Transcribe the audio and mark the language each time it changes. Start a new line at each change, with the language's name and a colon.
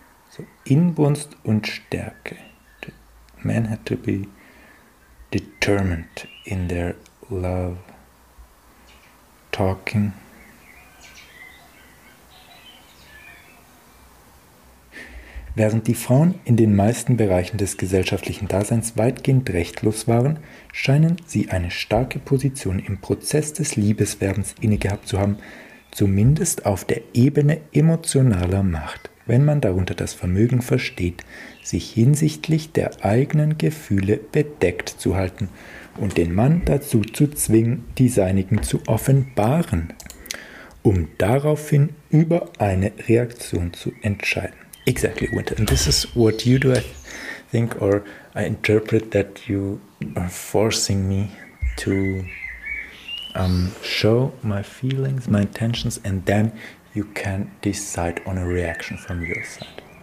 German: So Inbrunst und Stärke.
English: Men had to be determined in their love talking.
German: Während die Frauen in den meisten Bereichen des gesellschaftlichen Daseins weitgehend rechtlos waren, scheinen sie eine starke Position im Prozess des Liebeswerbens innegehabt zu haben, zumindest auf der Ebene emotionaler Macht, wenn man darunter das Vermögen versteht, sich hinsichtlich der eigenen Gefühle bedeckt zu halten und den Mann dazu zu zwingen, die seinigen zu offenbaren, um daraufhin über eine Reaktion zu entscheiden.
English: Exactly, Winter. And this is what you do, I think, or I interpret that you are forcing me to show my feelings, my intentions, and then you can decide on a reaction from your side.